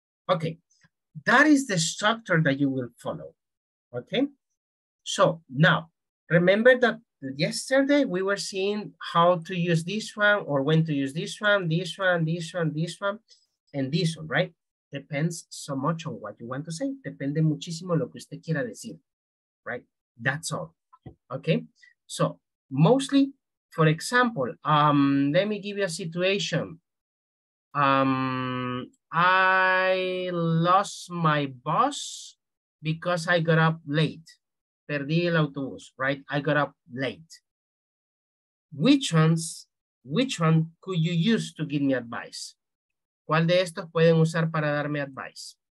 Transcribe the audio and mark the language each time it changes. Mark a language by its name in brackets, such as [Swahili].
[English] Okay, that is the structure that you will follow. Okay, so now remember that yesterday we were seeing how to use this one or when to use this one, this one, this one, this one, and this one, right? Depends so much on what you want to say. [Spanish] Depende muchísimo lo que usted quiera decir, right? [English] That's all. Okay, so mostly, for example, let me give you a situation. I lost my bus because I got up late. [Spanish] Perdí el autobús, [English] right? I got up late. Which one could you use to give me advice? [Spanish] ¿Cuál de estos pueden usar para darme advice?